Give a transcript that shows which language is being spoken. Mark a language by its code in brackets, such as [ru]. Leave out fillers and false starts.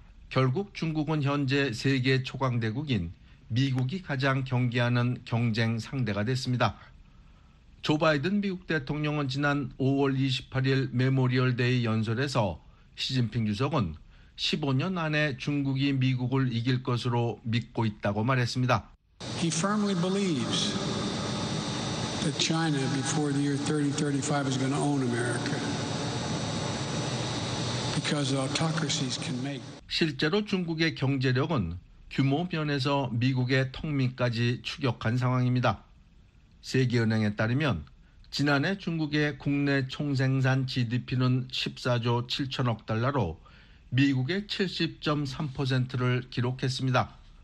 [ko] 결국 중국은 현재 세계 초강대국인 미국이 가장 경계하는 경쟁 상대가 됐습니다. 조 바이든 미국 대통령은 지난 5월 28일 메모리얼 데이 연설에서 시진핑 주석은 15년 안에 중국이 미국을 이길 것으로 믿고 있다고 말했습니다. [en] He firmly believes that China before the year 3035 is going to own America because autocracies can make. [ko] 실제로 중국의 경제력은 규모 면에서 미국의 통민까지 추격한 상황입니다. 세계은행에 따르면 지난해 중국의 국내 총생산 GDP는 14조 7천억 달러로 미국의 70.3%를 기록했습니다.